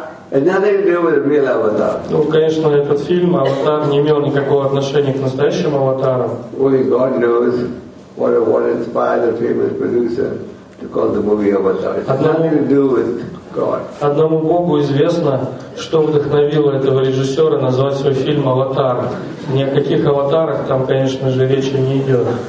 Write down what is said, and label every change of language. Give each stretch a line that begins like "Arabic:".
Russian: Ну, конечно, этот фильм «Аватар» не имел никакого отношения к настоящим аватарам.
English: Only God knows what inspired the famous producer to call the movie «Аватар». It's nothing to do with God.
Russian: Одному Богу известно, что вдохновило этого режиссера назвать свой фильм «Аватар». Ни о каких аватарах там, конечно же, речи не идет.